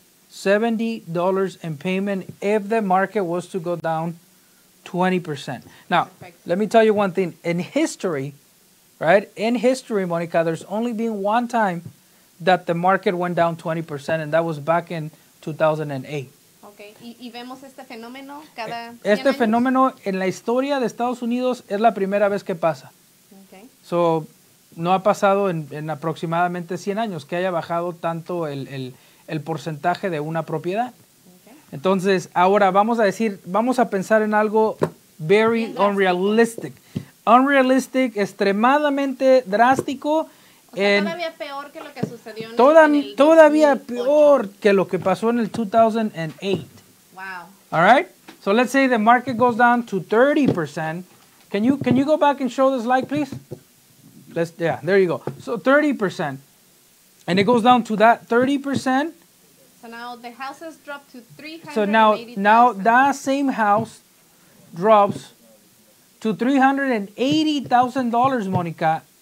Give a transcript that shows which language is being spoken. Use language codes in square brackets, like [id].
[en] $70 in payment if the market was to go down 20%. Now, perfect. Let me tell you one thing. In history, right? In history, Monica, there's only been one time that the market went down 20%, and that was back in 2008. [es] Okay. Y vemos este fenómeno cada 100 años. Este fenómeno en la historia de Estados Unidos es la primera vez que pasa. [en] Okay. [es] So, no ha pasado en aproximadamente 100 años que haya bajado tanto el porcentaje de una propiedad. [en] Okay. [es] Entonces, ahora vamos a pensar en algo [en] very unrealistic. [es] Unrealistic, extremadamente drástico. O sea, todavía peor que lo que sucedió en el 2008. Todavía peor que lo que pasó en el 2008. [en] Wow. All right? So let's say the market goes down to 30%. Can you go back and show the slide, please? There you go. So 30%. And it goes down to that 30%. So now the houses drop to $380,000, Monica.